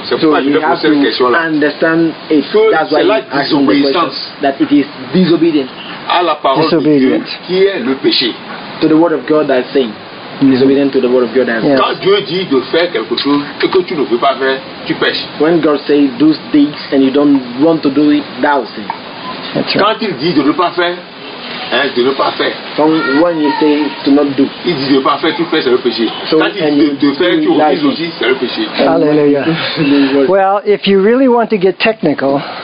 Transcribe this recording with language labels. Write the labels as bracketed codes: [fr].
[fr] C'est pourquoi je vais poser une question là. [en] Understand it. [fr] Que [en] that's why [fr] c'est la désobéissance. [en] That it is disobedient. [fr] À la parole de Dieu, qui est le péché. [en] To the word of God that's saying. Disobedient to the word of God. [fr] Quand Dieu dit de faire quelque chose que tu ne veux pas faire, tu pèches. [en] When God says do this and you don't want to do it, thou sin. [fr] Quand il dit de ne pas faire, hein, de ne pas faire. [en] So when he says to not do, [fr] il dit de ne pas faire, tu fais, c'est le péché. [en] So [fr] quand il dit de faire, tu refuses aussi, c'est le péché. Hallelujah. [en] Well, if you really want to get technical,